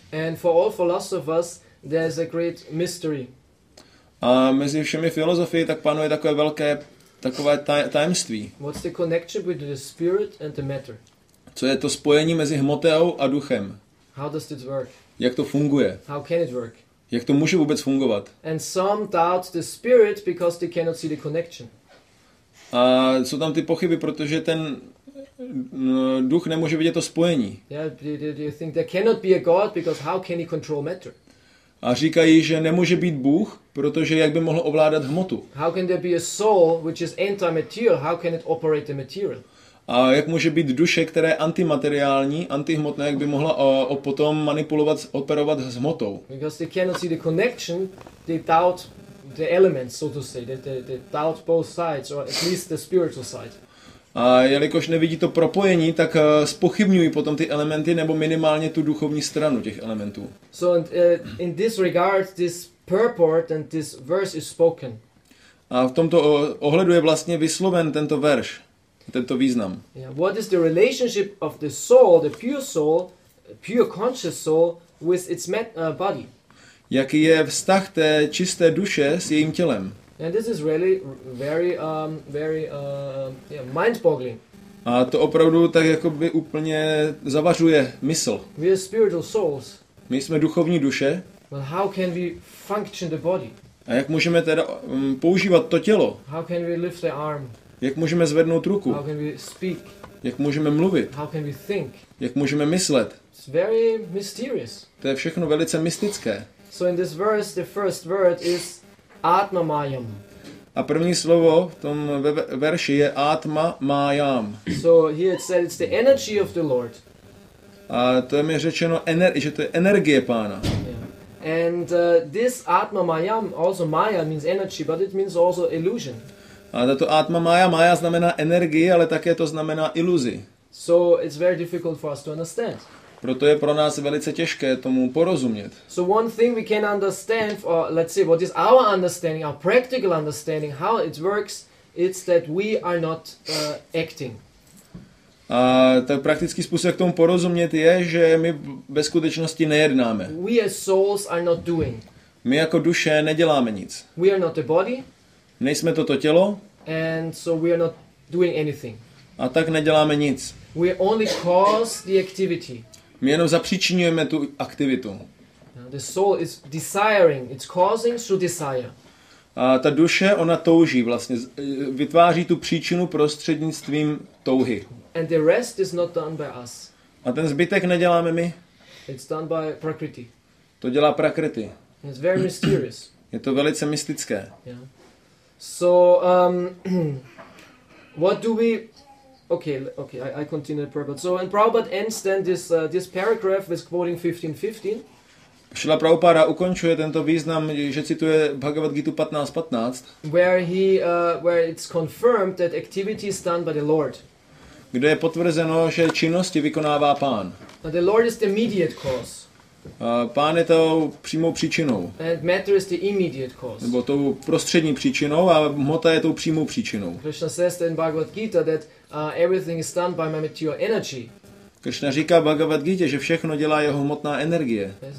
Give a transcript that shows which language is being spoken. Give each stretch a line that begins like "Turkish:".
English: And for all philosophers there is a great mystery.
Czech: A mezi všemi filozofy tak panuje takové velké takové tajemství.
English: What's the connection between the spirit and the matter?
Czech: Co je to spojení mezi hmotou a duchem?
English: How does it work?
Czech: Jak to funguje?
English: How can it work?
Czech: Jak to může vůbec fungovat?
English: And some doubt the spirit because they cannot see the connection.
Czech: A jsou tam ty pochyby, protože ten duch nemůže vidět to spojení.
English: Yeah, do you think there cannot be a god because how can he control matter?
Czech: A říkají, že nemůže být Bůh, protože jak by mohl ovládat hmotu?
English: How can there be a soul which is anti-material? How can it operate the material?
Czech: A jak může být duše, která je antimateriální, antihmotná, jak by mohla potom manipulovat, operovat s hmotou?
English: Because they cannot see the connection, they doubt the elements, so to say. They doubt both sides, or at least the spiritual side.
Czech: A jelikož nevidí to propojení, tak zpochybňují potom ty elementy nebo minimálně tu duchovní stranu těch elementů.
English: So in this regard this purport and this verse is spoken.
Czech: A v tomto ohledu je vlastně vysloven tento verš, tento význam.
English: Yeah. What is the relationship of the soul, the pure soul, pure conscious soul with its body?
Czech: Jaký je vztah té čisté duše s jejím tělem?
English: And this is really very very yeah, mind-boggling.
Czech: A to opravdu tak jakoby úplně zavařuje mysl.
English: We are spiritual souls.
Czech: My jsme duchovní duše.
English: But how can we function the body?
Czech: A jak můžeme teda používat to tělo?
English: How can we lift the arm?
Czech: Jak můžeme zvednout ruku?
English: How can we speak?
Czech: Jak můžeme mluvit?
English: How can we think?
Czech: Jak můžeme myslet?
English: It's very mysterious.
Czech: To je všechno velice mystické.
English: So in this verse the first word is Atma Mayam.
Czech: A první slovo v tom verši je Atma Mayam.
English: So here it said it's the energy of the Lord.
Czech: A to je mi řečeno, že to je energie Pána.
English: Yeah. And this Atma Mayam, also Maya means energy, but it means also illusion.
Czech: A tato Atma Maya znamená energie, ale také to znamená iluzi.
English: So it's very difficult for us to understand.
Czech: Proto je pro nás velice těžké tomu porozumět.
English: So one thing we can understand, or let's see, what is our understanding, our practical understanding, how it works, it's that we are not acting.
Czech: A ten praktický způsob, jak tomu porozumět, je, že my ve skutečnosti nejednáme.
English: We as souls are not doing.
Czech: My jako duše neděláme nic.
English: We are not the body.
Czech: Nejsme toto tělo.
English: And so we are not doing anything.
Czech: A tak neděláme nic.
English: We only cause the activity.
Czech: My jenom zapříčinujeme tu aktivitu.
English: The soul is desiring, it's causing through desire.
Czech: A ta duše, ona touží vlastně, vytváří tu příčinu prostřednictvím touhy.
English: And the rest is not done by us.
Czech: A ten zbytek neděláme my.
English: It's done by Prakriti.
Czech: To dělá Prakriti.
English: It's very mysterious.
Czech: Je to velice mystické.
English: Yeah. So, what do we... Okay, I continue Prabhupada. So, and Prabhupada ends then this paragraph with quoting 15:15.
Czech: Srila Prabhupada ukončuje tento význam, že cituje Bhagavad Gita 15:15.
English: Where it's confirmed that activity is done by the Lord.
Czech: Kde je potvrzeno, že činnosti vykonává Pán.
English: But the Lord is the immediate cause.
Czech: Pán je tou přímou příčinou.
English: And matter is the immediate cause.
Czech: Nebo tou prostřední příčinou a hmota je tou přímou příčinou.
English: Krishna says in Bhagavad Gita that everything is done by my material energy.
Czech: Krishna říká Bhagavad Gita, že všechno dělá jeho hmotná energie.